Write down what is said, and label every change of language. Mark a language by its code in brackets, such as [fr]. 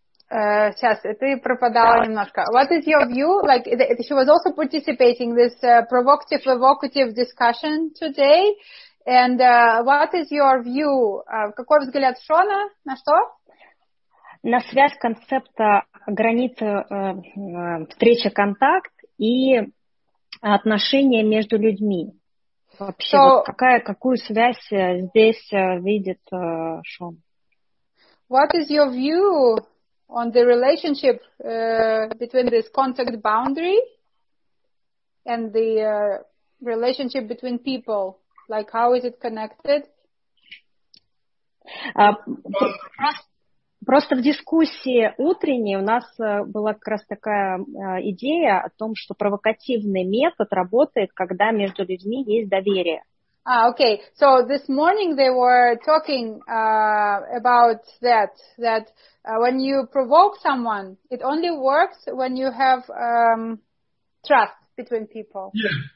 [ru] Сейчас, ты пропадала немножко. [en] What is your view? Like, she was also participating in this provocative discussion today. And what is your view? [ru] Какой взгляд Шона? На что? На связь концепта границы встречи, контакт и отношения между людьми. Вообще, so, вот какую связь здесь видит Шон? [en] What is your view on the relationship between this contact boundary and the relationship between people? Like, how is it connected? [ru] Просто в дискуссии утренней у нас была как раз такая идея о том, что провокативный метод работает, когда между людьми есть доверие. [en] Ah, okay. So this morning they were talking about that when you provoke someone, it only works when you have trust between people. Yeah.